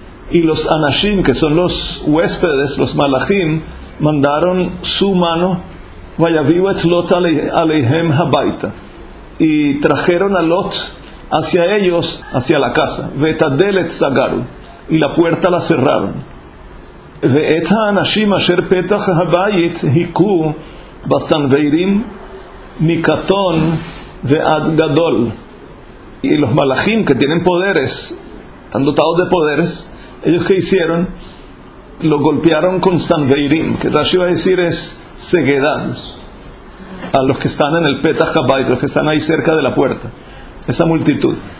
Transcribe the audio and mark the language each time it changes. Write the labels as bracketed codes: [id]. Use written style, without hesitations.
[es] Y los anashim, que son los huéspedes, los malachim, mandaron su mano, [he] vayaviu et Lot aleihem habaita, [es] y trajeron a Lot hacia ellos, hacia la casa, [he] vetadelet sagaru, [es] y la puerta la cerraron. [he] ואת האנשים אשר פתח הבית היכו בסנוורים מקטון ועד גדול. [es] Y los malachim, que tienen poderes, están dotados de poderes, ellos que hicieron, lo golpearon con sanveirim, que Rashi va a decir es ceguedad, a los que están en el Petah Habayit, los que están ahí cerca de la puerta, esa multitud.